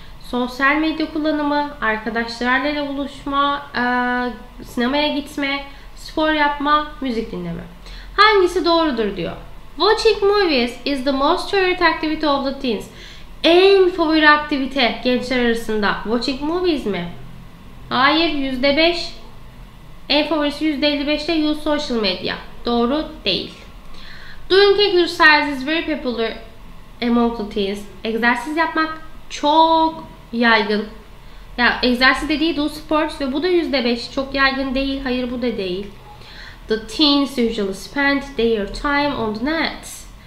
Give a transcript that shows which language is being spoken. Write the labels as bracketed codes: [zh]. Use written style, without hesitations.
[tr] Sosyal medya kullanımı, arkadaşlarla buluşma, sinemaya gitme, spor yapma, müzik dinleme. Hangisi doğrudur diyor. [en] Watching movies is the most favorite activity of the teens. [tr] En favori aktivite gençler arasında. [en] Watching movies [tr] mi? Hayır, %5. En favorisi %55'te [en] use social media. [tr] Doğru değil. [en] Doing exercise is very popular among the teens. [tr] Egzersiz yapmak çok yaygın. Ya egzersiz dediği [en] do sports [tr] ve bu da %5. Çok yaygın değil. Hayır, bu da değil. [en] The teens usually spend their time on the net.